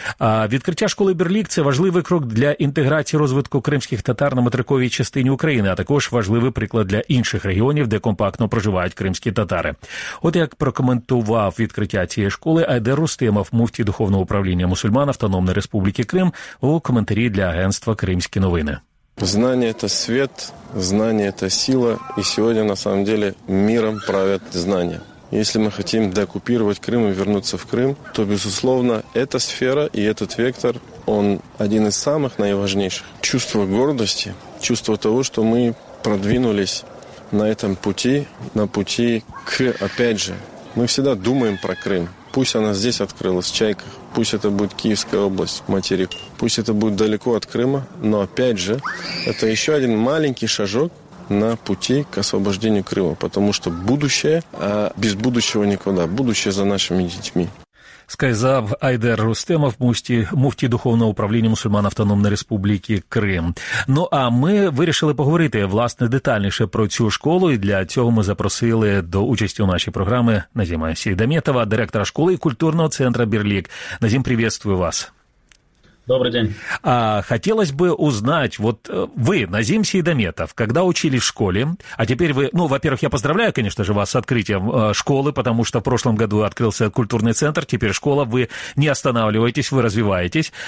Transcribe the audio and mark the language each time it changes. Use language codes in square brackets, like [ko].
[uk] А відкриття школи «Берлік» – це важливий крок для інтеграції розвитку кримських татар на материковій частині України, а також важливий приклад для інших регіонів, де компактно проживають кримські татари. От як прокоментував відкриття цієї школи Айдер Рустемов, муфті Духовного управління мусульман Автономної Республіки Крим, у коментарі для агентства «Кримські новини». [ru] Знание – это свет, знание – это сила, и сегодня, на самом деле, миром правят знания. Если мы хотим деоккупировать Крым и вернуться в Крым, то, безусловно, эта сфера и этот вектор, он один из самых наиважнейших. Чувство гордости, чувство того, что мы продвинулись на этом пути, на пути к, опять же, мы всегда думаем про Крым. Пусть она здесь открылась, в Чайках, пусть это будет Киевская область, материк, пусть это будет далеко от Крыма, но опять же, это еще один маленький шажок на пути к освобождению Крыма, потому что будущее, а без будущего никуда, будущее за нашими детьми. [uk] Сказав Айдер Рустемов, муфті Духовного управління мусульман Автономної Республіки Крим. Ну, а ми вирішили поговорити, власне, детальніше про цю школу, і для цього ми запросили до участі у нашій програмі Назима Сейдаметова, директора школи і культурного центру «Берлік». Назим, привітствую вас. [ru] Добрый день. А хотелось бы узнать, вот вы, Назим Сейдаметов, когда учились в школе, а теперь вы, ну, во-первых, я поздравляю, конечно же, вас с открытием школы, потому что в прошлом году открылся культурный центр, теперь школа, вы не останавливаетесь, вы развиваетесь.